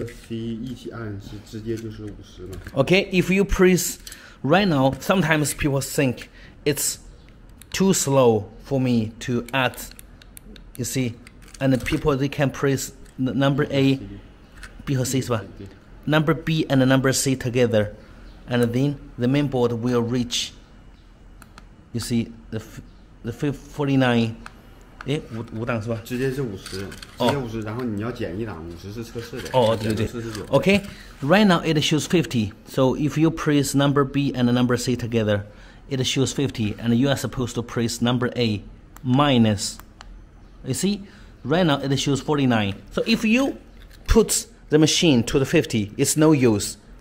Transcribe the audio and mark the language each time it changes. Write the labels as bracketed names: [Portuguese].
[English] Okay, if you press right now, sometimes people think it's too slow for me to add, you see, and the people, they can press number A, B or C, right? Number B and number C together, and then the main board will reach, you see, the 49. [Chinese] 诶, 五档, 是吧? 直接是50, 直接50, 然后你要减一档, 50 是测试的, 哦, 对对对, [English] 49, okay, right now it shows 50. So if you press number B and number C together, it shows 50, and you are supposed to press number A minus. You see, right now it shows 49. So if you put the machine to the 50, it's no use.